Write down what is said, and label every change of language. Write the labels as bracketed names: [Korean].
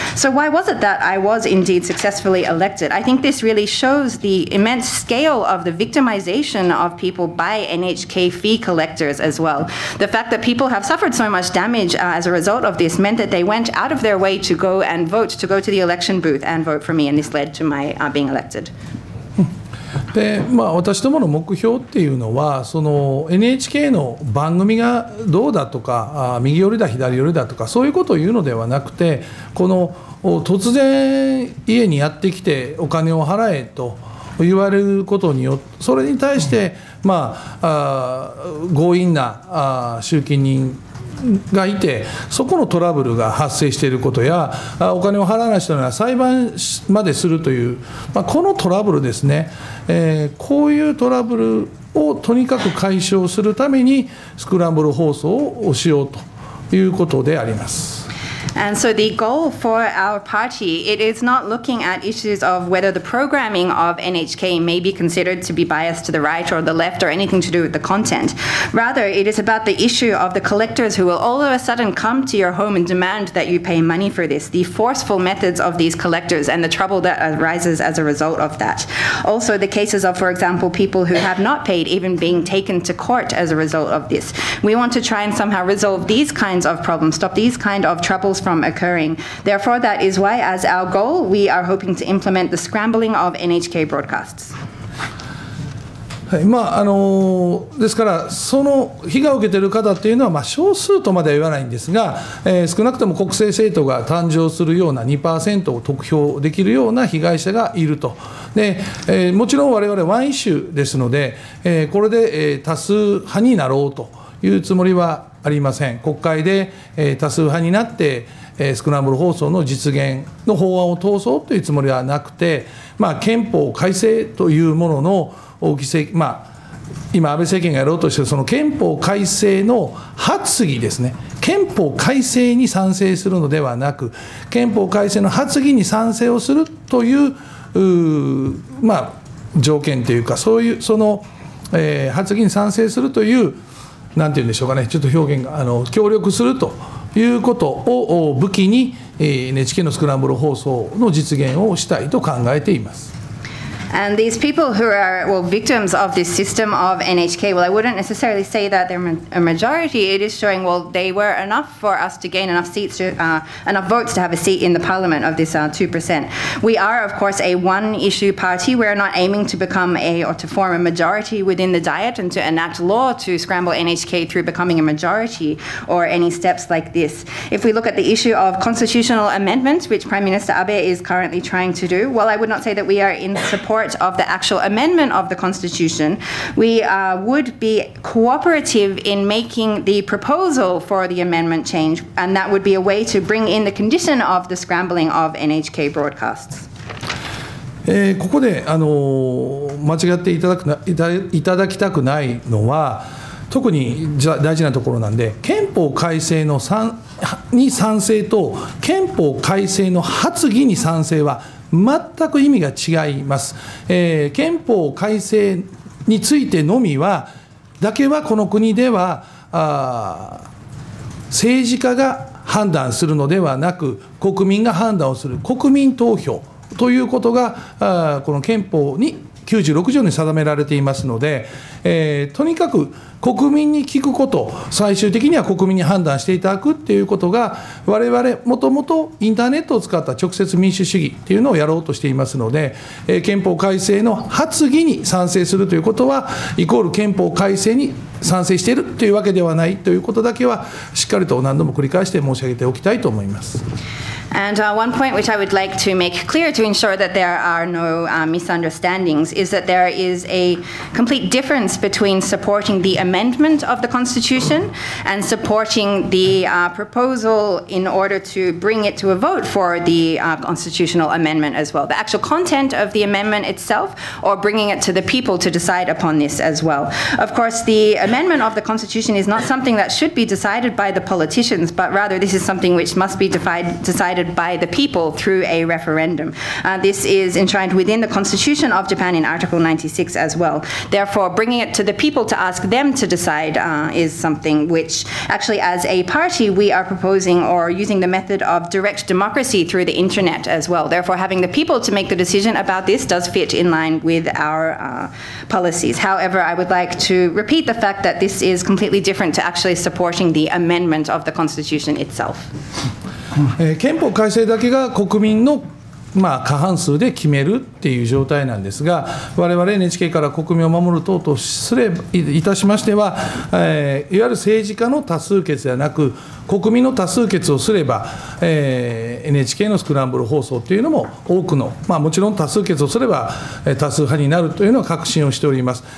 [English] So why was it that I was indeed successfully elected? I think this really shows the immense scale of the victimization of people by NHK fee collectors as well. The fact that people have suffered so much damage as a result of this meant that they went out of their way to go and vote, to go to the election booth and vote for me, and this led to my being elected. [Japanese] で私どもの目標っていうのは、その NHK の番組がどうだとか、右寄りだ左寄りだとかそういうことを言うのではなくて、この突然家にやってきてお金を払えと言われることによって、それに対して、強引な集金人がいて、そこのトラブルが発生していることや、お金を払わない人には裁判までするという、このトラブルですね、こういうトラブルをとにかく解消するためにスクランブル放送をしようということであります。 [English] And so the goal for our party, it is not looking at issues of whether the programming of NHK may be considered to be biased to the right or the left or anything to do with the content. Rather, it is about the issue of the collectors who will all of a sudden come to your home and demand that you pay money for this, the forceful methods of these collectors and the trouble that arises as a result of that. Also, the cases of, for example, people who have not paid, even being taken to court as a result of this. We want to try and somehow resolve these kinds of problems, stop these kind of troubles. From occurring. Therefore, that is why, as our goal, we are hoping to implement the scrambling of NHK broadcasts. [Japanese] ですから、その被害を受けている方というのは、少数とまでは言わないんですが、少なくとも国政政党が誕生するような 2% を得票できるような被害者がいると。で、もちろん我々ワンイシューですので、これで多数派になろうというつもりはありません。国会で多数派になって、スクランブル放送の実現の法案を通そうというつもりはなくて、まあ、憲法改正というものの大きせ、まあ、今安倍政権がやろうとしているその憲法改正の発議ですね、憲法改正に賛成するのではなく憲法改正の発議に賛成をするという、まあ、条件というかそういうその、発議に賛成するというなんて言うんでしょうかね、ちょっと表現が協力するということを武器に NHK のスクランブル放送の実現をしたいと考えています。 [English] And these people who are well, victims of this system of NHK, well, I wouldn't necessarily say that they're a majority. It is showing, well, they were enough for us to gain enough seats, to, enough votes to have a seat in the parliament of this 2%. We are, of course, a one-issue party. We're not aiming to become a, or to form a majority within the Diet and to enact law to scramble NHK through becoming a majority or any steps like this. If we look at the issue of constitutional amendments, which Prime Minister Abe is currently trying to do, well, I would not say that we are in support of the actual amendment of the constitution, we would be cooperative in making the proposal for the amendment change, and that would be a way to bring in the condition of the scrambling of NHK broadcasts. [Japanese] ここで間違っていただくいただきたくないのは特に大事なところなんで、憲法改正のに賛成と憲法改正の発議に賛成は全く意味が違います、憲法改正についてのみはだけはこの国では政治家が判断するのではなく国民が判断をする国民投票ということがこの憲法に96条に定められていますので、とにかく国民に聞くこと、最終的には国民に判断していただくっていうことが、我々もともとインターネットを使った直接民主主義っていうのをやろうとしていますので、憲法改正の発議に賛成するということは、イコール憲法改正に賛成しているというわけではないということだけは、しっかりと何度も繰り返して申し上げておきたいと思います。 [English] And one point which I would like to make clear to ensure that there are no misunderstandings is that there is a complete difference between supporting the amendment of the Constitution and supporting the proposal in order to bring it to a vote for the constitutional amendment as well. The actual content of the amendment itself or bringing it to the people to decide upon this as well. Of course, the amendment of the Constitution is not something that should be decided by the politicians, but rather this is something which must be decided by the people through a referendum. This is enshrined within the Constitution of Japan in Article 96 as well. Therefore, bringing it to the people to ask them to decide is something which actually as a party we are proposing or using the method of direct democracy through the internet as well. Therefore, having the people to make the decision about this does fit in line with our policies. However, I would like to repeat the fact that this is completely different to actually supporting the amendment of the Constitution itself. [Japanese] 憲法改正だけが国民の、まあ、過半数で決めるっていう状態なんですが、我々 NHK から国民を守る党とすれば、いたしましては、いわゆる政治家の多数決ではなく国民の多数決をすれば、NHK のスクランブル放送というのも多くの、まあ、もちろん多数決をすれば多数派になるというのは確信をしております。